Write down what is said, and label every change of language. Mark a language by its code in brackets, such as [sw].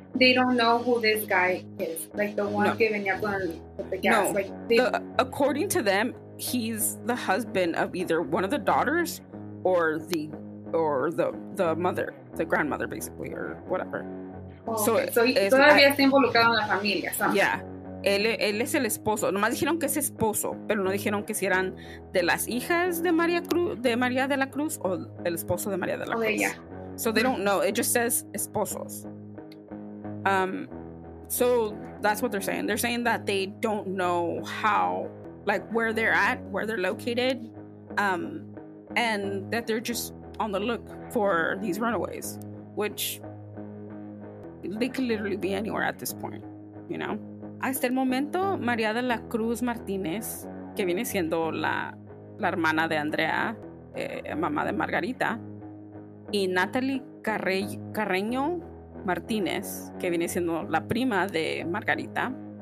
[en] They don't know who this guy is, like the one [es] que venía con [en] the gas. Like according to them, he's the husband of either one of the daughters or the mother, the grandmother, basically, or whatever. [es] Está involucrado en la familia. So. Yeah. Él es el esposo. Nomás dijeron que es esposo, pero no dijeron que si eran de las hijas de María Cruz, de María de la Cruz, o el esposo de María de la Cruz. Ella. [en] So they don't know. It just says esposos. So that's what they're saying. They're saying that they don't know how, like, where they're at, where they're located, and that they're just on the look for these runaways, which they could literally be anywhere at this point, you know? [es] Hasta el momento, María de la Cruz Martínez, que viene siendo la hermana de Andrea, mamá de Margarita, y Natalie Carreño Martínez, que viene siendo la prima de Margarita,